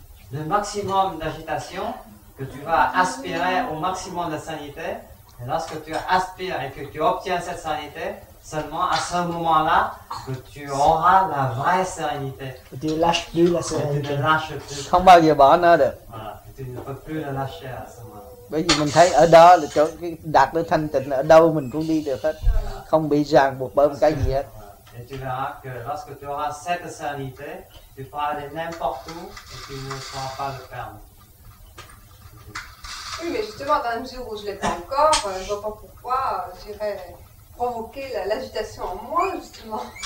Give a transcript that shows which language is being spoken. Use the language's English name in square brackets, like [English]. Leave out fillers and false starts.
[French] Le maximum d'agitation que tu vas aspirer au maximum de sanité, et lorsque tu aspires et que tu obtiens cette sanité, seulement à ce moment-là que tu auras la vraie sérénité. Tu lâches plus la sérénité. Tu ne lâches plus. [Vietnamese] Không bao giờ bỏ nó được. [French] Voilà. Tu ne peux plus la lâcher à ce moment-là. [Vietnamese] Bởi vì mình thấy ở đó là chỗ đạt được thanh tịnh, ở đâu mình cũng đi được hết, không bị ràng buộc bởi một cái gì hết. [French] Et tu verras que lorsque tu auras cette sérénité, tu pourras aller n'importe où et tu ne seras pas le perdre. Oui, mais justement, dans la mesure où je ne l'ai pas encore, je ne vois pas pourquoi j'irais provoquer l'agitation en moi, justement.